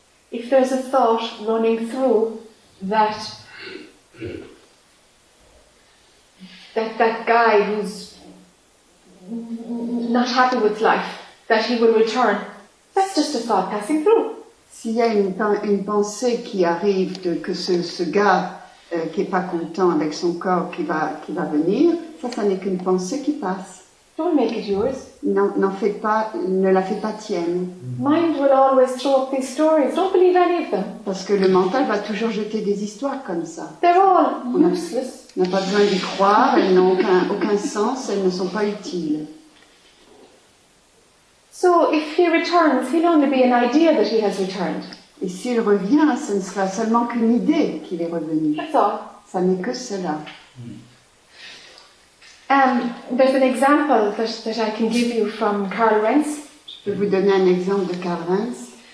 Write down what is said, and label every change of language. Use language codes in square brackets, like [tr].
[en] If there's a thought running through that that guy who's not happy with life, that he will return, that's just a thought passing through. [fr] S'il y a une pensée qui arrive de que ce gars qui est pas content avec son corps qui va venir, ça n'est qu'une pensée qui passe. [en] Don't make it yours. [fr] Ne la fais pas tienne. [en] Mind will always throw up these stories. Don't believe any of them. [fr] Parce que le mental va toujours jeter des histoires comme ça. [en] They're all useless. [fr] On n'a pas besoin d'y croire. Elles n'ont aucun sens. Elles ne sont pas utiles. [en] So if he returns, he'll only be an idea that he has returned. [fr] Et s'il revient, ce ne sera seulement qu'une idée qu'il est revenu. [en] That's all. [fr] Ça n'est que cela. [en] There's an example that I can give you from Carl Renz. [fr] Je peux vous donner un exemple de Carl Renz.